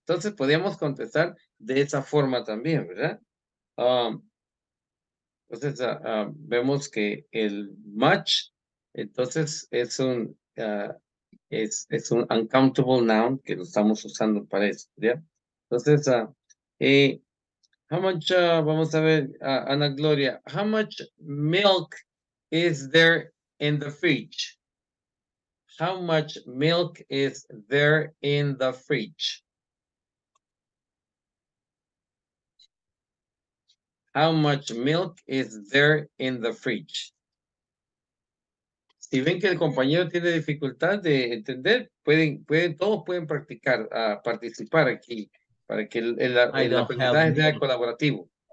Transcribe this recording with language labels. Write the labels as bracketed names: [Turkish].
[Spanish] Entonces, podríamos contestar de esa forma también, ¿verdad? Entonces, vemos que el much, entonces, es un... Es un uncountable noun que lo estamos usando para eso, ¿ya? Entonces, vamos a ver, [English] Ana Gloria, how much milk is there in the fridge? How much milk is there in the fridge? How much milk is there in the fridge? [Spanish] Si ven que el compañero tiene dificultad de entender, todos pueden practicar, participar aquí, para que el aprendizaje sea colaborativo.